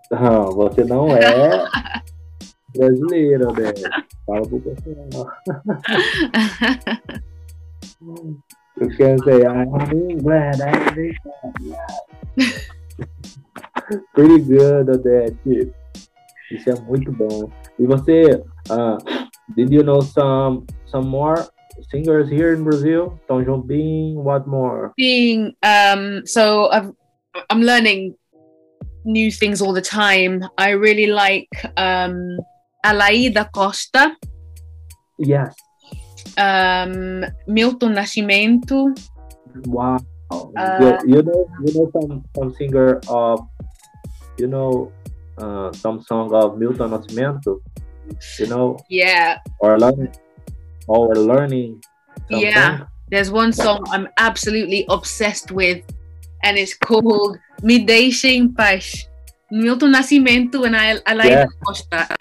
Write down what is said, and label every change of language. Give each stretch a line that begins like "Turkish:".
Portuguese: Você não é brasileira, né? Fala pro pessoal.
English: You can say, I'm glad I'm there. Pretty good, Odete.
Portuguese: Isso é muito bom. E você,
English: did you know some more singers here in Brazil? Tom Jobim, what more? Being, I'm learning new things all the time. I really like, Alaída Costa. Yes. Milton Nascimento. Wow. You know some singer of, you know, some song of Milton Nascimento? You know? Yeah. Or learning. Something. Yeah. There's one song I'm absolutely obsessed with, and it's called Me Deixe em Paz. Milton Nascimento and Alaída Costa.